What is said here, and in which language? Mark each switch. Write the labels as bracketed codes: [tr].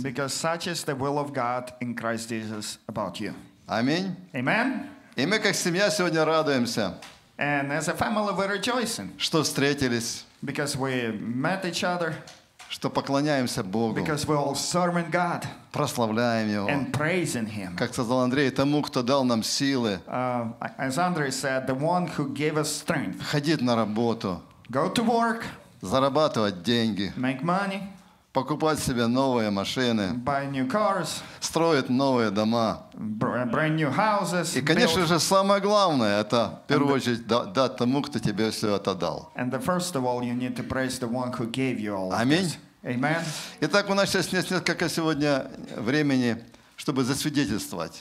[en] Because such is the will of God in Christ Jesus about you. [ru] Аминь. [en] Amen. [ru] И мы как семья сегодня радуемся. [en] And as a family we're rejoicing. [ru] Что встретились. [en] Because we met each other. [ru] Что поклоняемся Богу. [en] Because we're all serving God. [ru] Прославляем Его. [en] And praising Him. [ru] Как сказал Андрей, тому, кто дал нам силы. [en] As Andrei said, the one who gave us strength. [ru] Ходить на работу. [en] Go to work. [ru] Зарабатывать деньги. [en] Make money. [ru] Покупать себе новые машины. [en] Buy new cars. [ru] Строить новые дома. [en] Brand new houses. [ru] И, конечно же, самое главное, это, в первую очередь, дать тому, кто тебе все это дал. [en] And the first of all, you need to praise the one who gave you all. [ru] Аминь. [en] Amen. [ru] Итак, у нас сейчас нет несколько сегодня времени, чтобы засвидетельствовать.